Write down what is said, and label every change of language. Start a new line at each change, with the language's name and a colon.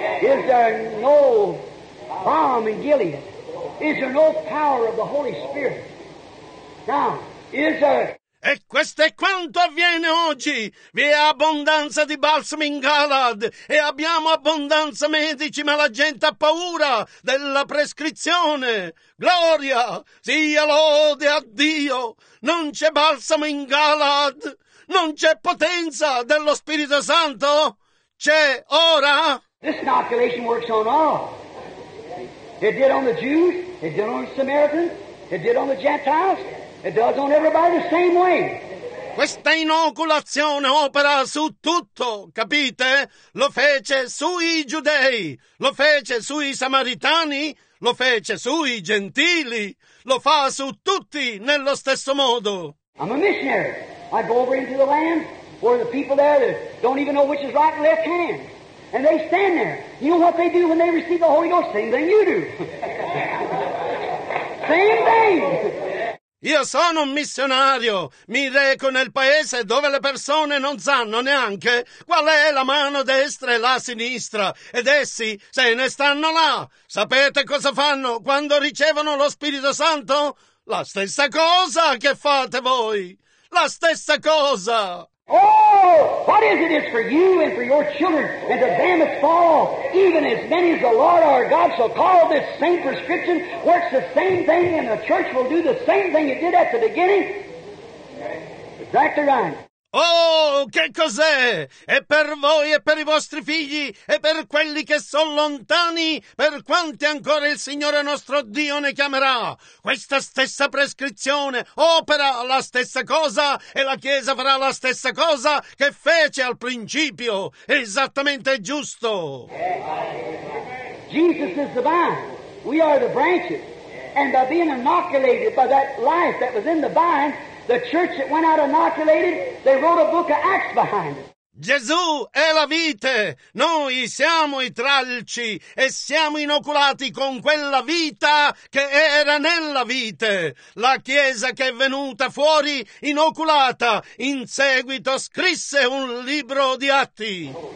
English: Is there no balm in Gilead? Is there no power of the Holy Spirit? Now, is there...
Italian: E questo è quanto avviene oggi. Vi è abbondanza di balsamo in Galad e abbiamo abbondanza medici, ma la gente ha paura della prescrizione. Gloria, sia lode a Dio. Non c'è balsamo in Galad. Non c'è potenza dello Spirito Santo. C'è ora.
English: This inoculation works on all. It did on the Jews. It did on the Samaritans. It did on the Gentiles. It does on everybody the same way.
Italian: Questa inoculazione opera su tutto, capite? Lo fece sui giudei, lo fece sui samaritani, lo fece sui gentili, lo fa su tutti nello stesso modo.
English: I'm a missionary. I go over into the land where the people there that don't even know which is right and left hand. And they stand there. You know what they do when they receive the Holy Ghost? Same thing you do. Same thing.
Italian: Io sono un missionario, mi reco nel paese dove le persone non sanno neanche qual è la mano destra e la sinistra, ed essi se ne stanno là. Sapete cosa fanno quando ricevono lo Spirito Santo? La stessa cosa che fate voi, la stessa cosa.
English: Oh, what is it? It's for you and for your children, and the dam is fall. Even as many as the Lord our God shall call, this same prescription works the same thing, and the church will do the same thing it did at the beginning. Exactly right.
Italian: Oh, che cos'è? È per voi e per i vostri figli e per quelli che sono lontani, per quanti ancora il Signore nostro Dio ne chiamerà. Questa stessa prescrizione opera la stessa cosa e la Chiesa farà la stessa cosa che fece al principio. Esattamente giusto.
English: Jesus is the vine. We are the branches. And by being inoculated by that life that was in the vine, the church that went out inoculated, they wrote a book of Acts behind it.
Italian: Gesù è la vite. Noi siamo i tralci e siamo inoculati con quella vita che era nella vite. La Chiesa che è venuta fuori inoculata in seguito scrisse un libro di Atti.